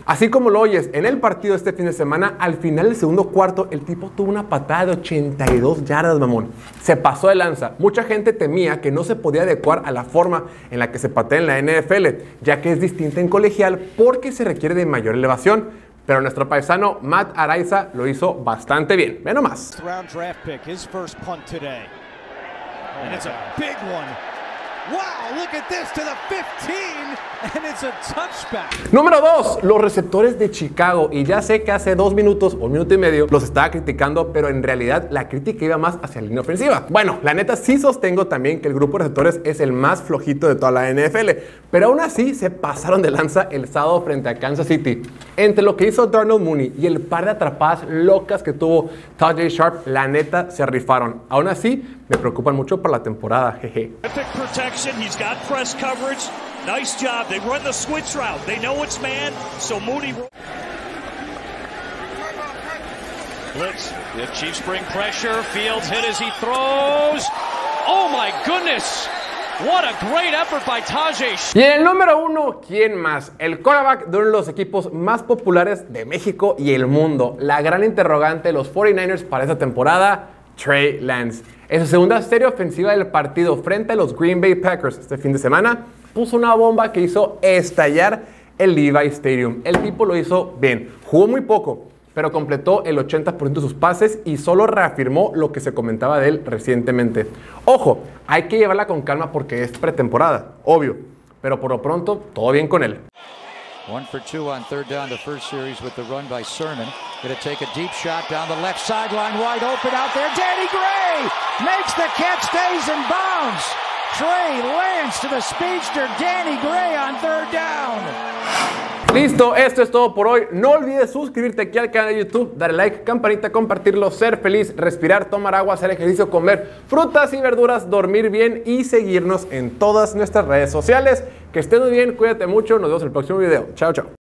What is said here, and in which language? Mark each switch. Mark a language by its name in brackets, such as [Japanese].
[Spanish] Así como lo oyes, en el partido este fin de semana, al final del segundo cuarto, el tipo tuvo una patada de 82 yardas, mamón. Se pasó de lanza. Mucha gente temía que no se podía adecuar a la forma en la que se patea en la NFL, ya que es distinta en colegial porque se requiere de mayor elevación. Pero nuestro paisano Matt Araiza lo hizo bastante bien. Ve nomás. [English] Round draft pick, his first punt today. And it's a big one. Wow, look at this to the 15 and it's a touchback. [Spanish] Número 2, los receptores de Chicago. Y ya sé que hace 2 minutos o 1 minuto y medio los estaba criticando, pero en realidad la crítica iba más hacia la línea ofensiva. Bueno, la neta sí sostengo también que el grupo de receptores es el más flojito de toda la NFL, pero aún así se pasaron de lanza el sábado frente a Kansas City. Entre lo que hizo Darnell Mooney y el par de atrapadas locas que tuvo Tajay Sharp, la neta se rifaron. Aún así, me preocupan mucho para la temporada, jeje. [English] He's got press coverage. Nice job. They run the switch route. They know it's man, so Mooney. Blitz. The Chiefs bring pressure. Fields hit as he throws. Oh my goodness. What a great effort by Tajay. [Spanish] Y en el número 1, ¿quién más? El quarterback de uno de los equipos más populares de México y el mundo. La gran interrogante de los 49ers para esta temporada, Trey Lance. En su segunda serie ofensiva del partido frente a los Green Bay Packers este fin de semana, puso una bomba que hizo estallar el Levi Stadium. El tipo lo hizo bien. Jugó muy poco, pero completó el 80% de sus pases y solo reafirmó lo que se comentaba de él recientemente. Ojo, hay que llevarla con calma porque es pretemporada, obvio. Pero por lo pronto, todo bien con él. [English] One for two on third down, the first series with the run by Sermon. Going to take a deep shot down the left sideline, wide open out there. Danny Gray makes the catch, stays in bounds. Trey Lance to the speedster, Danny Gray on third down. [Spanish] Listo, esto es todo por hoy. No olvides suscribirte aquí al canal de YouTube, darle like, campanita, compartirlo, ser feliz, respirar, tomar agua, hacer ejercicio, comer frutas y verduras, dormir bien y seguirnos en todas nuestras redes sociales. Que estés muy bien, cuídate mucho, nos vemos en el próximo video. Chao, chao.